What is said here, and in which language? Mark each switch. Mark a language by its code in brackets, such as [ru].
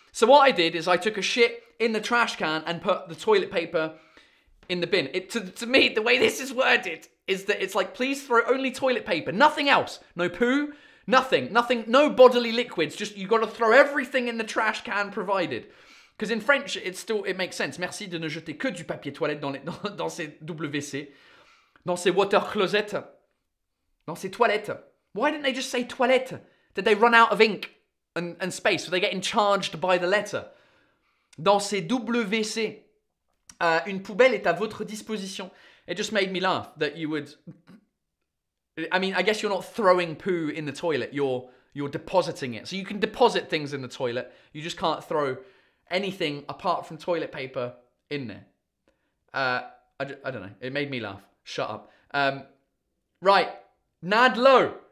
[en] So what I did is I took a shit in the trash can and put the toilet paper in the bin. To me, the way this is worded is that it's like, please throw only toilet paper, nothing else. No poo, nothing, no bodily liquids. Just, you got to throw everything in the trash can provided. Because in French, it makes sense. [fr] Merci de ne jeter que du papier toilette dans ces WC. Non, c'est water closet. Non, c'est toilette. [en] Why didn't they just say toilette? Did they run out of ink and space? Were they getting charged by the letter? [fr] Dans ces WC, une poubelle est à votre disposition. [en] It just made me laugh that you would... I mean, I guess you're not throwing poo in the toilet. You're depositing it. So you can deposit things in the toilet. You just can't throw anything apart from toilet paper in there. I don't know. It made me laugh. Shut up. Right. Nad Low.